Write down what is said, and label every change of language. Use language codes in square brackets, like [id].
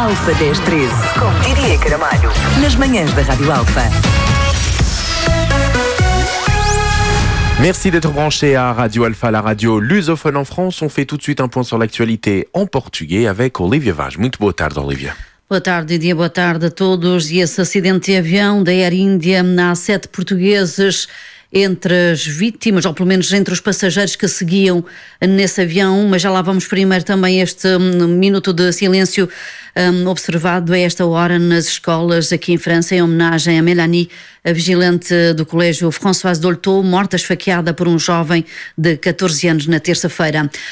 [pt] até às 13, com Didier Caramalho, nas manhãs da Rádio Alfa. [fr] Merci d'être branché à Radio Alpha, la radio lusophone en France. On fait tout de suite un point sur l'actualité en portugais avec Olivia Vaz. [pt] Muito boa tarde, Olivia. Boa tarde, Didier. Boa tarde a todos. E esse acidente de avião da Air India, há 7 portugueses entre as vítimas, ou pelo menos entre os passageiros que seguiam nesse avião, mas já lá vamos primeiro também este minuto de silêncio observado a esta hora nas escolas aqui em França, em homenagem a Mélanie, a vigilante do colégio Françoise Dolteau, morta esfaqueada por um jovem de 14 anos na terça-feira.